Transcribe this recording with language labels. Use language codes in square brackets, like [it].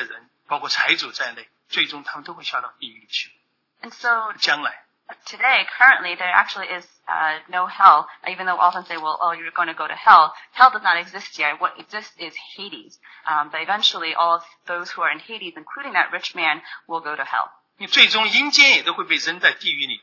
[zh] 我们都那个是，所以从今天的这个角度来看，今天实际上没有地狱的。大家记得，我们常常说你下地狱，其实今天没有地狱，今天只有阴间。但是阴间的人，包括财主在内，最终他们都会下到地狱去。 [en] And so, [zh] 将来, [en] today, currently, there actually is no hell, even though we often say, well, oh, you're going to go to hell. Hell does not exist yet. What exists is Hades. But eventually, all of those who are in Hades, including that rich man, will go to hell. [zh] 你最终阴间也都会被扔在地狱里,